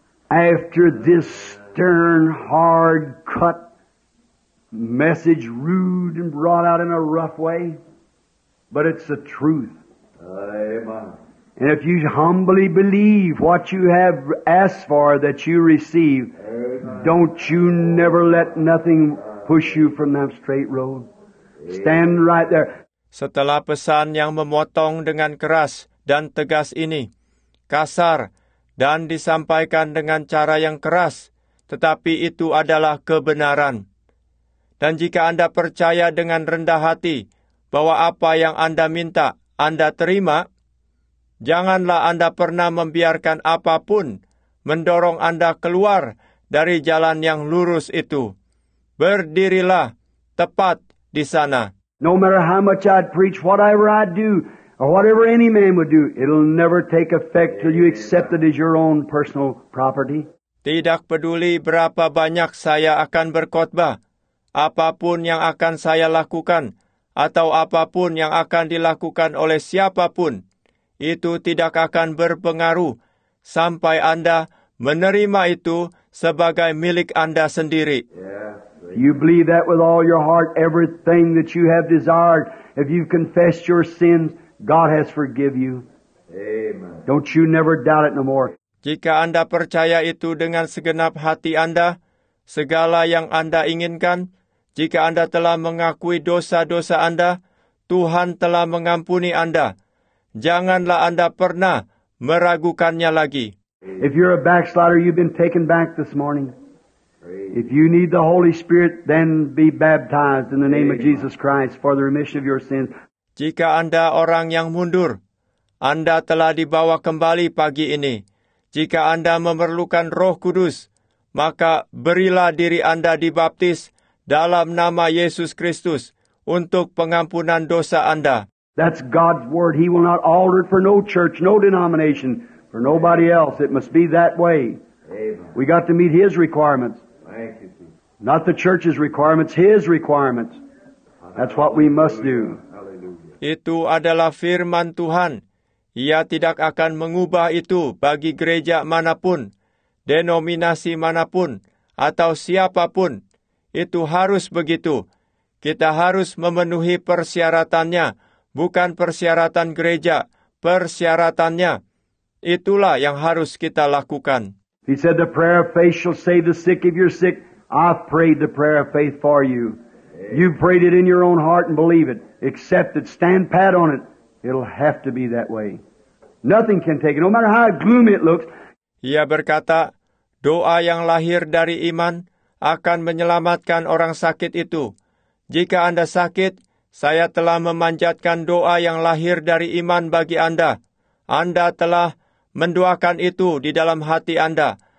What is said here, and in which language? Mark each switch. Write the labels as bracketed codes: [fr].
[en] After this stern, hard cut message, rude and brought out in a rough way, but it's the truth. Amen. And if you humbly believe what you have asked for that you receive, amen, don't you never let nothing push you from that straight road. Stand right there. [id] Setelah pesan yang memotong dengan keras dan tegas ini, kasar, dan disampaikan dengan cara yang keras, tetapi itu adalah kebenaran. Dan jika Anda percaya dengan rendah hati bahwa apa yang Anda minta, Anda terima, janganlah Anda pernah membiarkan apapun mendorong Anda keluar dari jalan yang lurus itu. Berdirilah tepat di sana. [en] No matter how much I'd preach, whatever I'd do, or whatever any man would do, it'll never take effect till you accept it as your own personal property. [id] Tidak peduli berapa banyak saya akan berkhotbah, apapun yang akan saya lakukan, atau apapun yang akan dilakukan oleh siapapun, itu tidak akan berpengaruh sampai Anda menerima itu sebagai milik Anda sendiri. [en] Yeah. You believe that with all your heart, everything that you have desired, if you've confessed your sins, God has forgiven you. Amen. Don't you never doubt it no more. [id] Jika Anda percaya itu dengan segenap hati Anda, segala yang Anda inginkan, jika Anda telah mengakui dosa-dosa Anda, Tuhan telah mengampuni Anda. janganlah Anda pernah meragukannya lagi. [en] If you're a backslider, you've been taken back this morning. If you need the Holy Spirit, then be baptized in the name of Jesus Christ for the remission of your sins. [id] Jika Anda orang yang mundur, Anda telah dibawa kembali pagi ini. Jika Anda memerlukan Roh Kudus, maka berilah diri Anda dibaptis dalam nama Yesus Kristus untuk pengampunan dosa Anda. [en] That's God's word. He will not alter it for no church, no denomination, for nobody else. It must be that way. Amen. We got to meet His requirements. Thank you, Jesus. Not the church's requirements, His requirements. That's what we must do. [id] Itu adalah firman Tuhan. Ia tidak akan mengubah itu bagi gereja manapun, denominasi manapun, atau siapapun. Itu harus begitu. Kita harus memenuhi persyaratannya, bukan persyaratan gereja, persyaratannya. Itulah yang harus kita lakukan. [en] He said the prayer of faith shall save the sick if you're sick. I've prayed the prayer of faith for you. You prayed it in your own heart and believe it. Accept it. Stand pat on it. It'll have to be that way. Nothing can take it, no matter how gloomy it looks. [id] Ia berkata, doa yang lahir dari iman akan menyelamatkan orang sakit itu. Jika Anda sakit, saya telah memanjatkan doa yang lahir dari iman bagi Anda. Anda telah mendoakan itu di dalam hati Anda.